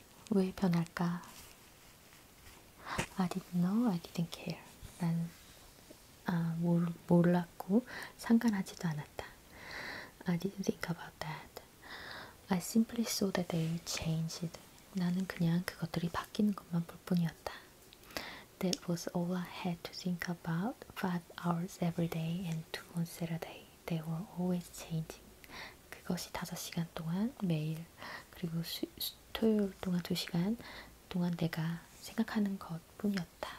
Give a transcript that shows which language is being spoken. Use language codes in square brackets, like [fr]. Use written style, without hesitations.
[ko] 왜 변할까? [en] I didn't know. I didn't care. [ko] 난 몰랐고 상관하지도 않았다. [en] I didn't think about that. I simply saw that they changed. [ko] 나는 그냥 그것들이 바뀌는 것만 볼 뿐이었다. [en] That was all I had to think about. 5 hours every day and 2 on Saturday. They were always changing. [ko] 그것이 5시간 동안 매일, 그리고 토요일 동안 2시간 동안 내가 생각하는 것뿐이었다.